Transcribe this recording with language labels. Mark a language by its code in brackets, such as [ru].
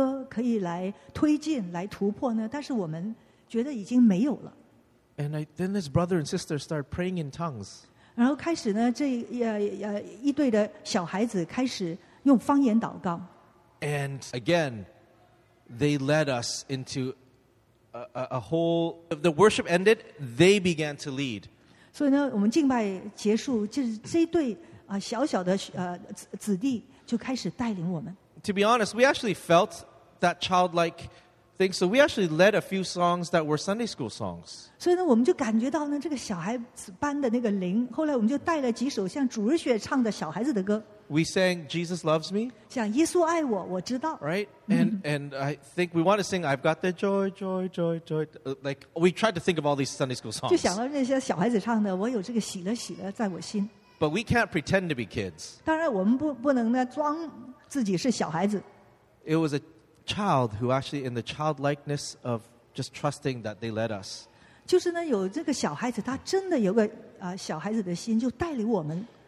[zh] 当时我们在寻求应该有什么的歌可以来推进,来突破呢, 但是我们觉得已经没有了。 [en] And then this brother and sister started praying in tongues. [zh] 然后开始呢, 这一对的小孩子开始用方言祷告。 [en] And again, they led us into a whole... The worship ended, they began to lead. [zh] 所以呢, 我们敬拜结束, 就是这一对, 小小的, 子弟就开始带领我们。 [en] To be honest, we actually felt that childlike thing, so we actually led a few songs that were Sunday school songs. [zh] 所以呢, 我们就感觉到呢, 这个小孩子班的那个灵, 后来我们就带了几首像主日学唱的小孩子的歌。 [en] We sang Jesus Loves Me. [zh] 像耶稣爱我, 我知道, [en] right? And I think we want to sing I've Got the Joy, Joy, Joy, Joy. Like, we tried to think of all these Sunday school songs. [zh] 就想到那些小孩子唱的, 我有这个喜乐, 喜乐在我心。 [en] But we can't pretend to be kids. [zh] 当然我们不能呢, 装自己是小孩子。 [en] It was a child who actually, in the childlikeness of just trusting that they led us. [zh] 就是呢, 有这个小孩子, 他真的有个, 小孩子的心, 就带领我们。